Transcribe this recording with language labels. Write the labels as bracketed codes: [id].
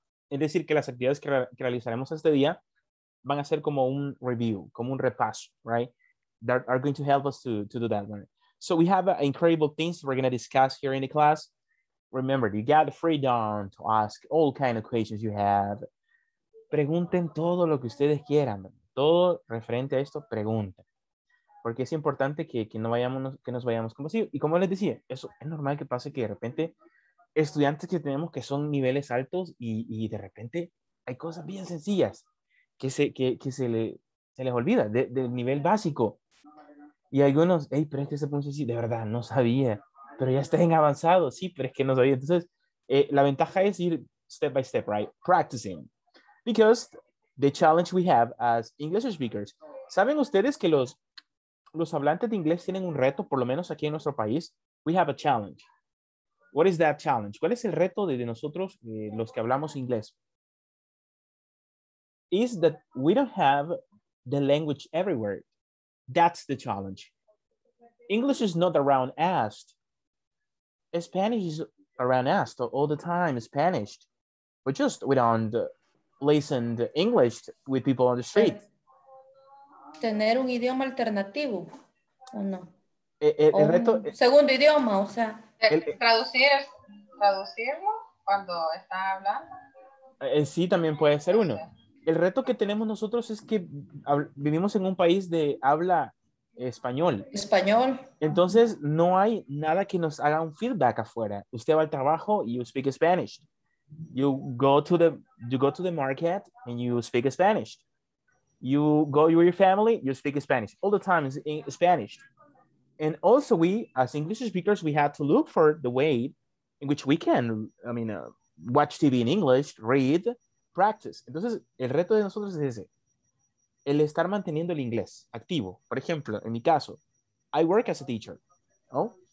[es] Es decir, que las actividades que realizaremos este día van a ser como un review, como un repaso, [en] right? That are going to help us to do that one. So we have incredible things we're going to discuss here in the class. Remember, you got the freedom to ask all kinds of questions you have. [es] Pregunten todo lo que ustedes quieran. Todo referente a esto, pregunten. Porque es importante que nos vayamos como así. Y como les decía, eso es normal que pase que de repente estudiantes que tenemos que son niveles altos y de repente hay cosas bien sencillas que se les olvida del nivel básico. Y algunos, hey, pero es que se puso así, de verdad, no sabía, pero ya está en avanzado, sí, pero es que no sabía. Entonces, la ventaja es ir [en] step by step, right? Practicing. Because the challenge we have as English speakers, [es] ¿saben ustedes que los hablantes de inglés tienen un reto, por lo menos aquí en nuestro país? [en] We have a challenge. What is that challenge? [es] ¿Cuál es el reto de nosotros, los que hablamos inglés? [en] Is that we don't have the language everywhere. That's the challenge. English is not around us. Spanish is around us all the time. Spanish. But just we don't listen to English with people on the street. [es] Tener un idioma alternativo, ¿o no? El reto, segundo idioma, o sea... Traducirlo cuando está hablando. Sí, también puede ser uno. El reto que tenemos nosotros es que vivimos en un país de habla español. Español. Entonces, no hay nada que nos haga un feedback afuera. Usted va al trabajo y [en] you speak Spanish. You go to the market and you speak Spanish. You go with your family, you speak Spanish. All the time is in Spanish. And also we, as English speakers, we have to look for the way in which we can, watch TV in English, read, practice. [es] Entonces, el reto de nosotros es ese, el estar manteniendo el inglés activo. Por ejemplo, en mi caso, [en] I work as a teacher, [es] ¿no?